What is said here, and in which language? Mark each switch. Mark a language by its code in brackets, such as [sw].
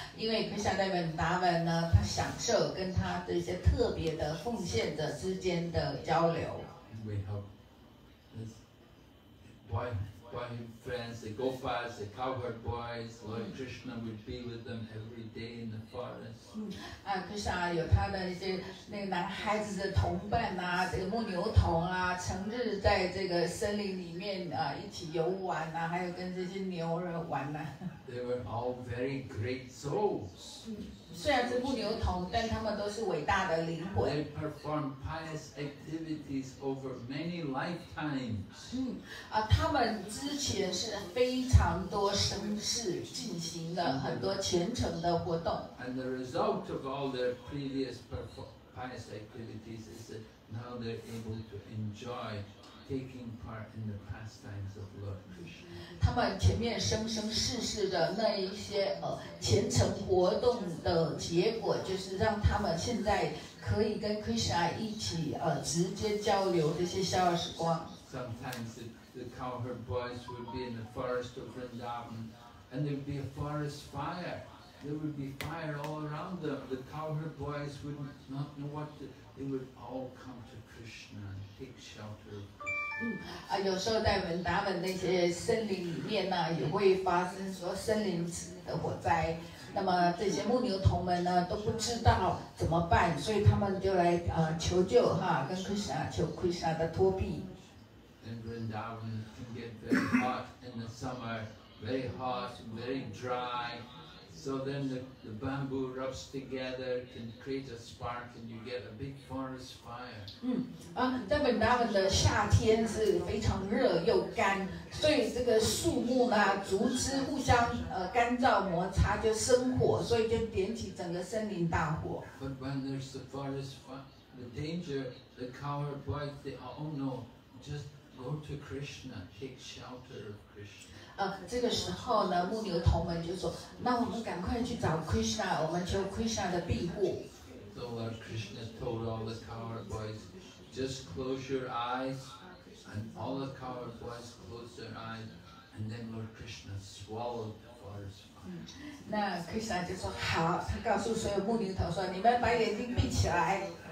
[zh] 因为 Krishna 在 Vrindavan 呢，他享受跟他这些特别的奉献者之间的交流。 [en] We hope. Why friends, the gopas, the cowherd boys, Lord Krishna would be with them every day in the forest. [zh] Krishna 有他的一些那个男孩子的同伴啊，这个牧牛童啊，成日在这个森林里面啊一起游玩啊，还有跟这些牛儿玩呢。 [en] They were all very great souls. [zh] 虽然是牧牛童，但他们都是伟大的灵魂。 [en] They performed pious activities over many lifetimes. [zh] 他们之前是非常多生世进行了很多虔诚的活动。 [en] And the result of all their previous pious activities is that now they're able to enjoy. Taking part in the pastimes of Lord Krishna. [zh] 他们前面生生世世的那一些虔诚活动的结果，就是让他们现在可以跟 Krishna 一起直接交流这些逍遥时光。 [en] Sometimes the cowherd boys would be in the forest of Vrindavan, and there would be a forest fire. There would be fire all around them. The cowherd boys would not know what to. They would all come to Krishna and take shelter. [zh] 有时候在文达文那些森林里面呢，也会发生说森林的火灾。那么这些牧牛童们呢，都不知道怎么办，所以他们就来求救哈，跟 Krishna 求 Krishna 的托庇。 [en] In Vrindavan can get very hot in the summer, very hot, very dry. So then the bamboo rubs together can create a spark, and you get a big forest fire. [zh] 在 Vrindavan 的夏天是非常热又干，所以这个树木呢，竹枝互相干燥摩擦就生火，所以就点起整个森林大火。 [en] But when there's the forest fire, the danger, the cowherd boys, they all know, just go to Krishna, take shelter of Krishna. [zh] 这个时候呢，牧牛童们就说：“那我们赶快去找 Krishna， 我们求 Krishna 的庇护。” [en] So Lord Krishna told all the cowherd boys, "Just close your eyes," and all the cowherd boys closed their eyes, and then Lord Krishna swallowed the forest fire. [zh] 那 Krishna 就说：“好。” 他告诉所有牧牛童说：“你们把眼睛闭起来。”